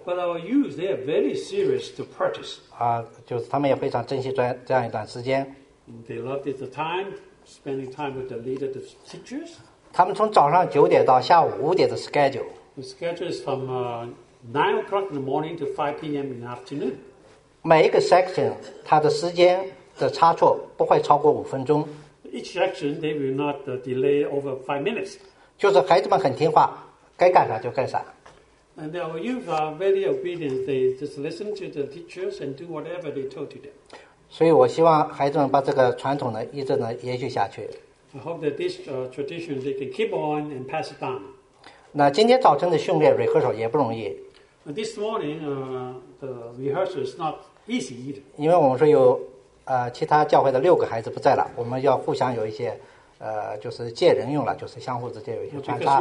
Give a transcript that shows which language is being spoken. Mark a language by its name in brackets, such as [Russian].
[English] But our youth, they are very serious to practice. [Chinese] 就是他们也非常珍惜这样一段时间。 [English] They loved the time, spending time with the leader, the teachers. [Chinese] 他们从早上九点到下午五点的 schedule. [English] The schedule is from 9 o'clock in the morning to 5 p.m. in the afternoon. [Chinese] 每一个 section, 它的时间。的差错不会超过五分钟。 [English] Each section they will not delay over 5 minutes. [Chinese] 就是孩子们很听话，该干啥就干啥。 [English] And our youth are very obedient. They just listen to the teachers and do whatever they told to them. [Chinese] 所以我希望孩子们把这个传统呢一直呢延续下去。 [English] I hope that this tradition they can keep on and pass it down. [Chinese] 那今天早晨的训练 rehearsal 也不容易。 [English] This morning the rehearsal is not easy either. [Chinese] 因为我们说有。其他教会的六个孩子不在了，我们要互相有一些，就是借人用了，就是相互之间有一些穿插。